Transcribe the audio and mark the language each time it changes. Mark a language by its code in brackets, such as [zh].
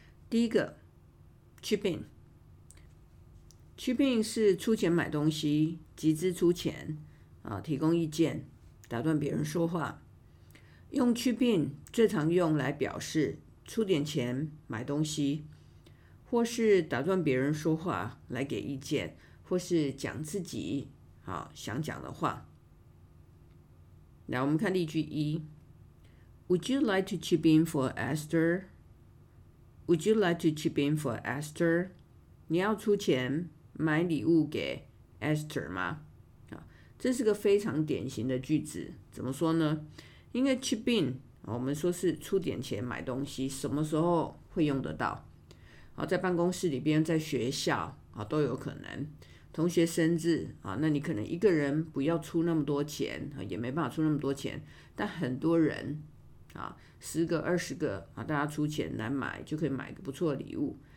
[zh] 第一个Chip in， Chip in 是出钱买东西，集资出钱、提供意见，打断别人说话。用 Chip in 最常用来表示出点钱买东西，或是打断别人说话来给意见，或是讲自己、想讲的话。来，我们看例句一。 [en] Would you like to chip in for Esther? Would you like to chip in for Esther? [zh] 你要出钱买礼物给 Esther 吗？这是个非常典型的句子。怎么说呢？因为 chip in 我们说是出点钱买东西，什么时候会用得到？在办公室里边，在学校都有可能。同学生日，那你可能一个人不要出那么多钱，也没办法出那么多钱，但很多人十个二十个大家出钱来买，就可以买个不错的礼物。